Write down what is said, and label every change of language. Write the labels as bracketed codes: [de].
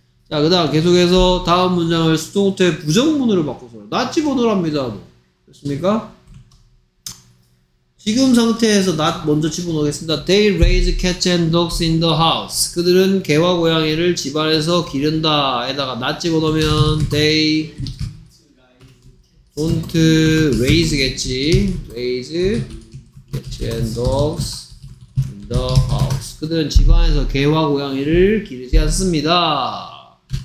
[ko] 자, 그 다음 계속해서 다음 문장을 수동태 부정문으로 바꿔서 나 집어넣으랍니다. 됐습니까? 지금 상태에서 나 먼저 집어넣겠습니다. [en] They raise cats and dogs in the house. [ko] 그들은 개와 고양이를 집안에서 기른다. 에다가 나 집어넣으면 [en] they don't raise [ko] 겠지. [en] Raise cats and dogs. The house. [ko] 그들은 집안에서 개와 고양이를 기르지 않습니다.